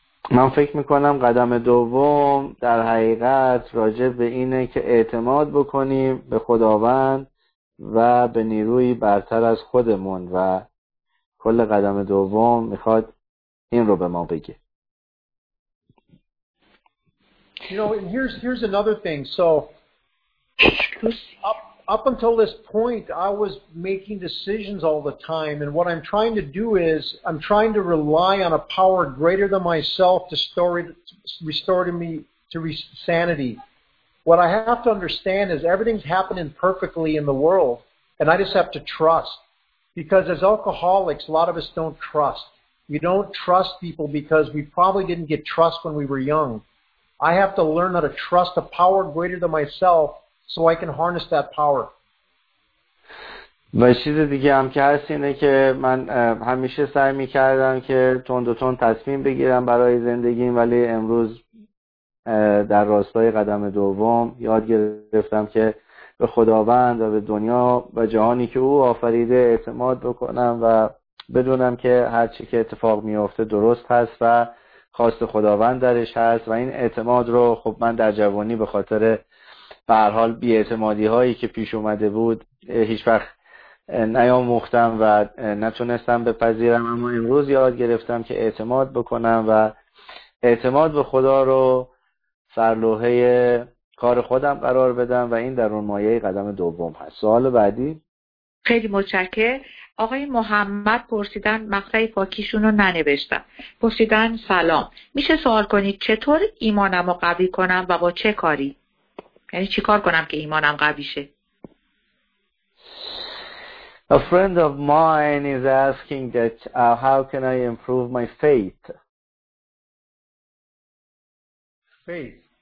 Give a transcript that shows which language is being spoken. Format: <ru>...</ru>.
<fa>من فکر میکنم قدم دوم در حقیقت راجع به اینه که اعتماد بکنیم به خداوند و به نیروی برتر از خودمون، و کل قدم دوم میخواد این رو به ما بگه.</fa> <en>You know, here's another thing. So Up until this point, I was making decisions all the time, and what I'm trying to do is I'm trying to rely on a power greater than myself to restore me to sanity. What I have to understand is everything's happening perfectly in the world, and I just have to trust. Because as alcoholics, a lot of us don't trust. We don't trust people because we probably didn't get trust when we were young. I have to learn how to trust a power greater than myself so I can harness that power.</en> <fa>و چیز دیگه هم که هست اینه که من همیشه سعی میکردم که تند و تند تصمیم بگیرم برای زندگیم، ولی امروز در راستای قدم دوم یاد گرفتم که به خداوند و به دنیا و جهانی که او آفریده اعتماد بکنم و بدونم که هر چی که اتفاق میافته درست هست و خواست خداوند درش هست. و این اعتماد رو خب من در جوانی به خاطر به هر حال بی‌اعتمادی هایی که پیش اومده بود هیچ وقت نیاموختم و نتونستم بپذیرم، اما امروز یاد گرفتم که اعتماد بکنم و اعتماد به خدا رو سرلوحه کار خودم قرار بدم و این در اون مایه قدم دوم هست. سوال بعدی؟ خیلی متشکرم. آقای محمد پرسیدن مقطع پاکیشون رو ننوشتن. پرسیدن سلام، میشه سوال کنید چطور ایمانم رو قوی کنم و با چه کاری؟</fa> <en>A friend of mine is asking that how can I improve my faith? Faith.</en>